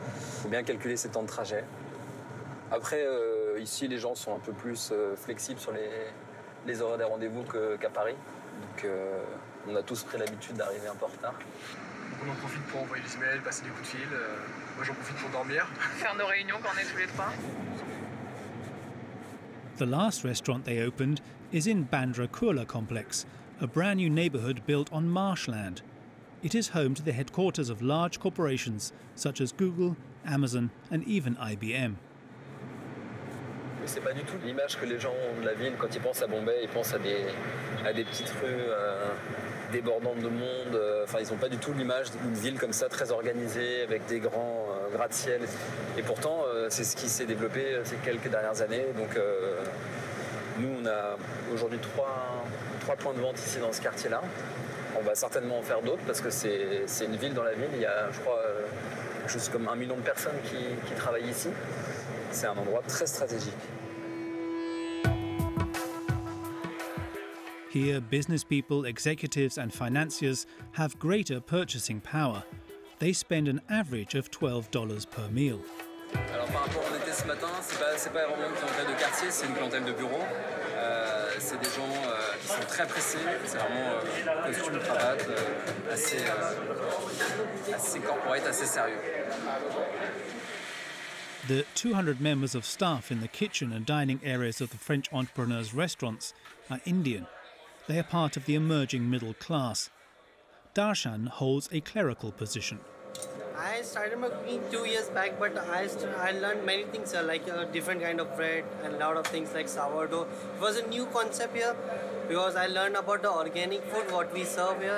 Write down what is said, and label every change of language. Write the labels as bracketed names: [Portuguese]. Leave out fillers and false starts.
[French] Il faut bien calculer ses temps de trajet. Après, ici, les gens sont un peu plus flexibles sur les horaires des rendez-vous qu'à Paris. Donc, on a tous pris l'habitude d'arriver un peu en retard. On en profite pour envoyer des emails, passer des coups de fil. Moi, j'en profite pour dormir. Faire nos réunions quand on est tous les trois. [English] The last restaurant they opened is in Bandra Kurla complex, a brand new neighborhood built on marshland. It is home to the headquarters of large corporations such as Google, Amazon, and even IBM. [French] Mais c'est pas du tout l'image que les gens ont de la ville quand ils pensent à Bombay, ils pensent à des petites rues débordantes de monde, enfin ils ont pas du tout l'image d'une ville comme ça très organisée avec des grands gratte-ciel. Et pourtant c'est ce qui s'est développé ces quelques dernières années. Donc nous on a aujourd'hui trois points de vente ici dans ce quartier-là. On va certainement en faire d'autres parce que c'est une ville dans la ville, il y a je crois juste comme 1 million de personnes qui travaillent ici. C'est un endroit très stratégique. [English] Here, business people, executives and financiers have greater purchasing power. They spend an average of $12 per meal. [French] Alors par rapport à l'été ce matin, c'est pas vraiment une clientèle de quartier, c'est une clientèle de bureau. C'est des gens qui sont très pressés, c'est vraiment costume, cravate, assez corporate, assez sérieux. [English] The 200 members of staff in the kitchen and dining areas of the French entrepreneurs' restaurants are Indian. They are part of the emerging middle class. Darshan holds a clerical position. I started my cooking 2 years back, but I learned many things, like a different kind of bread and a lot of things like sourdough. It was a new concept here because I learned about the organic food, what we serve here.